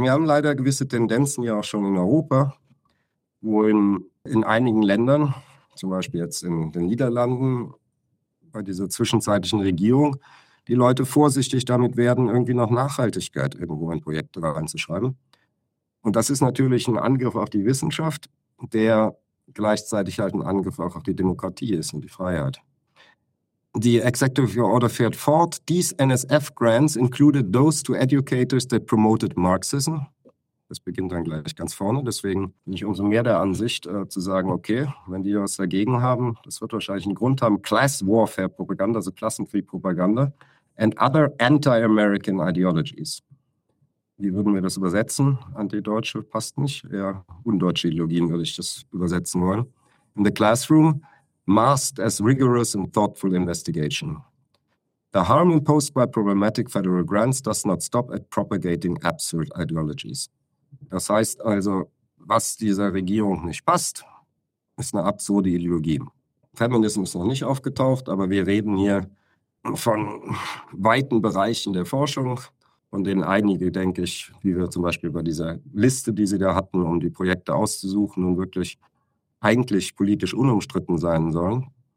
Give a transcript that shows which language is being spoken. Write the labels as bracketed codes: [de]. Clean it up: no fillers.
[de] Wir haben leider gewisse Tendenzen ja auch schon in Europa, wo in einigen Ländern, zum Beispiel jetzt in den Niederlanden, bei dieser zwischenzeitlichen Regierung, die Leute vorsichtig damit werden, irgendwie noch Nachhaltigkeit irgendwo in Projekte reinzuschreiben. Und das ist natürlich ein Angriff auf die Wissenschaft, der gleichzeitig halt ein Angriff auch auf die Demokratie ist und die Freiheit. [en] The executive order fared forth. These NSF grants included those to educators that promoted Marxism. [de] Das beginnt dann gleich ganz vorne. Deswegen bin ich umso mehr der Ansicht, zu sagen, okay, wenn die was dagegen haben, das wird wahrscheinlich einen Grund haben, [en] Class Warfare Propaganda, [de] also Klassenkriegpropaganda, [en] and other anti-American ideologies. [de] Wie würden wir das übersetzen? Antideutsche passt nicht. Ja, undeutsche Ideologien würde ich das übersetzen wollen. [en] In the classroom, masked as rigorous and thoughtful investigation. The harm imposed by problematic federal grants does not stop at propagating absurd ideologies. [de] Das heißt also, was dieser Regierung nicht passt, ist eine absurde Ideologie. Feminismus ist noch nicht aufgetaucht, aber wir reden hier von weiten Bereichen der Forschung, von denen einige, denke ich, wie wir zum Beispiel bei dieser Liste, die sie da hatten, um die Projekte auszusuchen, nun wirklich eigentlich politisch unumstritten sein sollen.